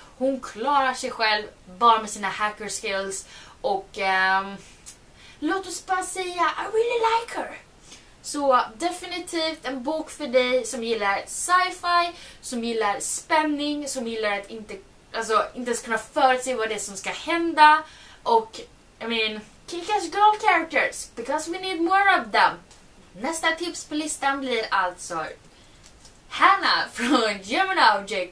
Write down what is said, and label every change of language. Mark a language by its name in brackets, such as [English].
[Swedish] Hon klarar sig själv bara med sina hacker skills och låt oss bara säga, [English] I really like her. [Swedish] Så definitivt en bok för dig som gillar sci-fi, som gillar spänning, som gillar att inte ens kunna förutse vad det är som ska hända. [English] Och, I mean, kick-ass girl characters, because we need more of them. [Swedish] Nästa tips på listan blir alltså Hannah från Gemini of J.